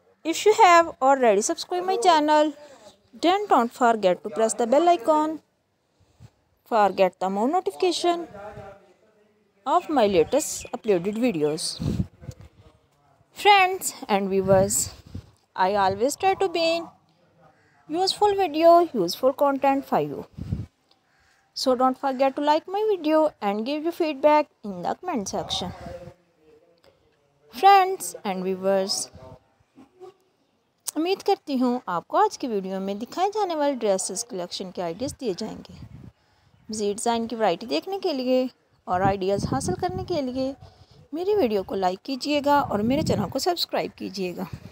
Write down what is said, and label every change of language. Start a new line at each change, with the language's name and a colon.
English: If you have already subscribe my channel then don't forget to press the bell icon forget the more notification of my latest uploaded videos. Friends and viewers, I always try to bring useful video useful content for you. So don't forget to like my video and give your feedback in the comment section. Friends and viewers,
Urdu: امید کرتی ہوں آپ کو آج کی video میں دکھائے جانے والے ڈریسز کلیکشن کے آئیڈیاز دیے جائیں گے. مزید ڈیزائن کی ورائٹی دیکھنے کے لیے اور آئیڈیاز حاصل کرنے کے لیے میری ویڈیو کو لائک کیجیے گا اور میرے چینل کو سبسکرائب کیجیے گا.